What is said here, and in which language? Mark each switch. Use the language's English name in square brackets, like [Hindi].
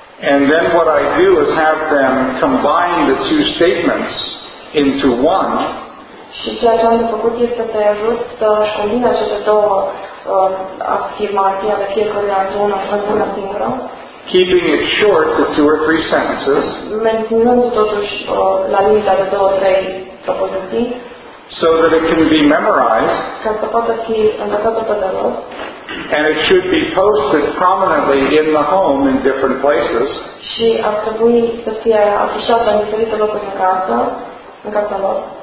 [English] And then what I do is have them combine the two statements into one. [Romanian] Și ceea ce am făcut este să ajut să își combine aceste două afirmații ale fiecărui acțiune într-una singură. [English] Keeping it short to two or three sentences. [Romanian] Menținând totuși la limita de două trei propoziții. [English] So that it can be memorized. [Romanian] Ca să poată fi învățată pe de rost. [English] And it should be posted prominently in the home in different places. [Romanian] Și ar trebui să fie afișată în diferite locuri în casă, în casa lor.